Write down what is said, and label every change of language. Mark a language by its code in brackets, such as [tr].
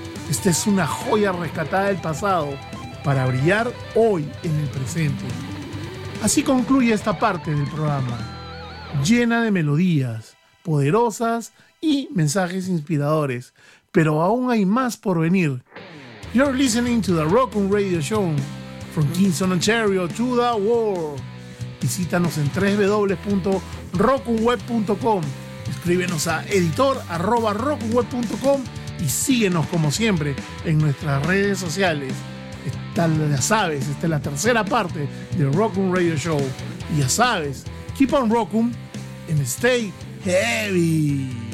[es] Esta es una joya rescatada del pasado para brillar hoy en el presente. Así concluye esta parte del programa, llena de melodías poderosas y mensajes inspiradores, pero aún hay más por venir. [en] You're listening to the Raccoon Radio Show from Kingston, Ontario to the world. [es] Visítanos en www.raccoonweb.com. Escríbenos a editor@raccoonweb.com y síguenos como siempre en nuestras redes sociales. Ya sabes, esta es la tercera parte del Raccoon Radio Show. Y ya sabes, [en] keep on Raccoon and stay heavy.